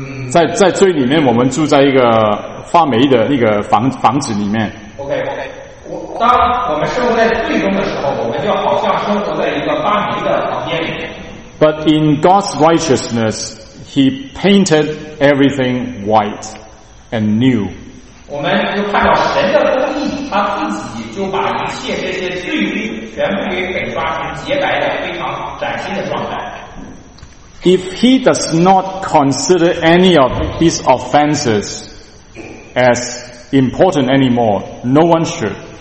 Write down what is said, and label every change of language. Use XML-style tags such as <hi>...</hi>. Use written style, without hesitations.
<zh>在罪里面，我们住在一个发霉的那个房子里面。当我们生活在最终的时候，我们就好像生活在一个发霉的房间里面。</zh> <en>But in God's righteousness, He painted everything white and new.</en> <zh>我们就看到神的公义，他自己就把一切这些罪污全部给粉刷成洁白的、非常崭新的状态。</zh> <en>If He does not consider any of these offenses as important anymore, no one should.</en>